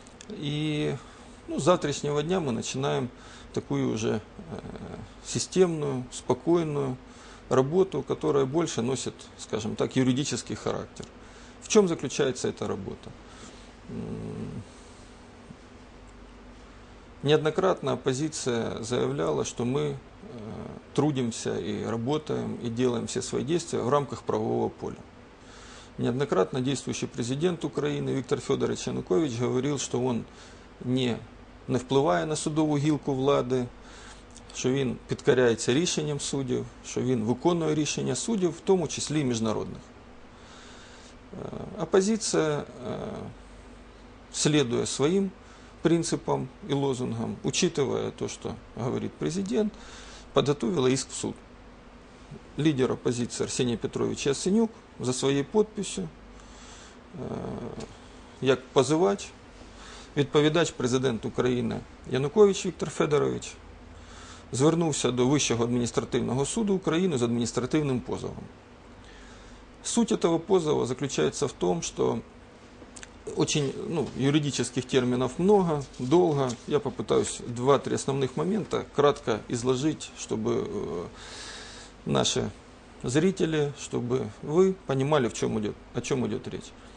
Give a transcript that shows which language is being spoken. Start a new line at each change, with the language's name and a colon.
Russian: И с завтрашнего дня мы начинаем такую уже системную, спокойную работу, которая больше носит, скажем так, юридический характер. В чем заключается эта работа? Неоднократно оппозиция заявляла, что мы трудимся и работаем и делаем все свои действия в рамках правового поля. Неоднократно действующий президент Украины Виктор Федорович Янукович говорил, что он
Ukrainian: не впливає на судову гілку влади, що він підкоряється рішенням суддів, що він виконує рішення суддів, в тому числі і міжнародних. Опозиція, слідує своїм принципам і лозунгам,
Russian: учитывая то,
Ukrainian: що говорить президент,
Russian: подготовила иск в суд. Лидер оппозиции Арсений Петрович Яценюк за своей подписью,
Ukrainian: як позывач, відповідач президент України Янукович Віктор Федорович, звернувся до Вищого адміністративного суду України з адміністративним позовом.
Russian: Суть этого позова заключается в том, что очень, юридических терминов много, долго. Я попытаюсь 2-3 основных момента кратко изложить, чтобы наши зрители, чтобы вы понимали, о чем идет речь.